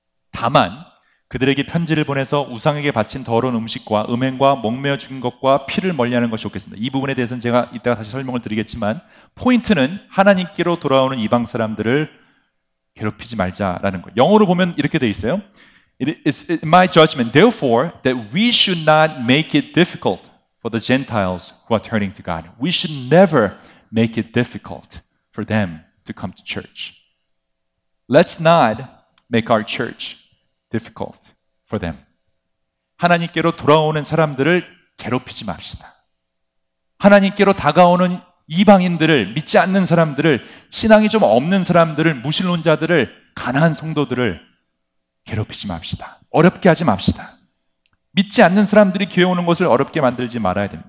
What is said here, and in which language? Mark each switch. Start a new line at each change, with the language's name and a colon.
Korean: 다만 그들에게 편지를 보내서 우상에게 바친 더러운 음식과 음행과 목매어 죽인 것과 피를 멀리하는 것이 좋겠습니다. 이 부분에 대해서는 제가 이따가 다시 설명을 드리겠지만 포인트는 하나님께로 돌아오는 이방 사람들을 괴롭히지 말자라는 거예요. 영어로 보면 이렇게 돼 있어요.
English: It is my judgment, therefore, that we should not make it difficult for the Gentiles who are turning to God. We should never make it difficult for them to come to church. Let's not make our church difficult for them.
Korean: 하나님께로 돌아오는 사람들을 괴롭히지 맙시다. 하나님께로 다가오는 이방인들을, 믿지 않는 사람들을, 신앙이 좀 없는 사람들을, 무신론자들을, 가난한 성도들을 괴롭히지 맙시다. 어렵게 하지 맙시다. 믿지 않는 사람들이 교회 오는 것을 어렵게 만들지 말아야 됩니다.